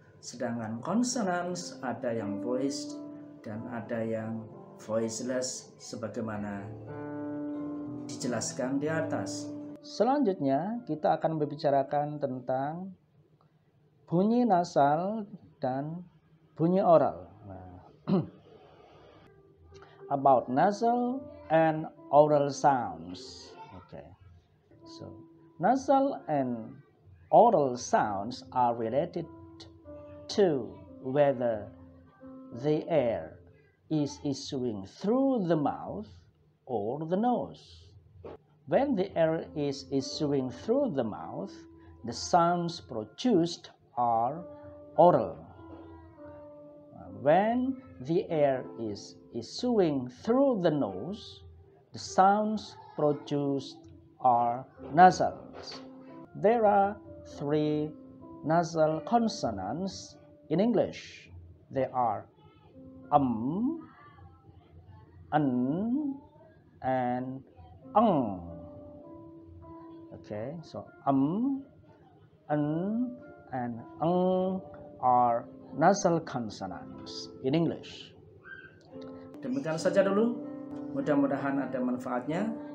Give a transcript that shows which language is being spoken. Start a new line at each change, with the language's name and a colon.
Indonesian: Sedangkan consonants ada yang voiced dan ada yang voiceless sebagaimana dijelaskan di atas. Selanjutnya kita akan membicarakan tentang bunyi nasal dan bunyi oral.
English: About nasal and oral sounds. Okay, so nasal and oral sounds are related to whether the air is issuing through the mouth or the nose. When the air is issuing through the mouth, the sounds produced are oral. When the air is issuing through the nose, the sounds produced are nasals. There are three nasal consonants in English. They are an, and ng. Okay, so an, and ng are nasal consonants in English.
Indonesian: Demikian saja dulu. Mudah-mudahan ada manfaatnya.